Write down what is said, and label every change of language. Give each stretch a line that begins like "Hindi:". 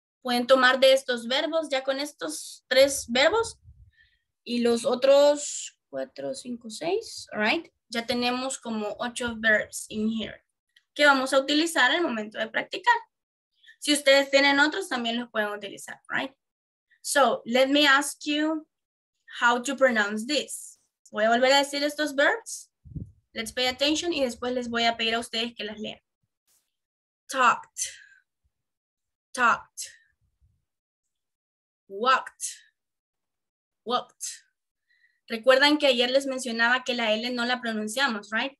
Spanish: Pueden tomar de estos verbos, ya con estos tres verbos. Y los otros cuatro, cinco, seis,
English: right?
Spanish: Ya tenemos como ocho
English: verbs in here
Spanish: que vamos a utilizar al momento de practicar. Si ustedes tienen otros, también los pueden utilizar,
English: right? So, let me ask you how to pronounce this.
Spanish: Voy a volver a decir estos verbs.
English: Let's pay attention
Spanish: y después les voy a pedir a ustedes que las lean.
English: Talked. Talked. Walked. Walked.
Spanish: Recuerdan que ayer les mencionaba que la L no la pronunciamos,
English: right?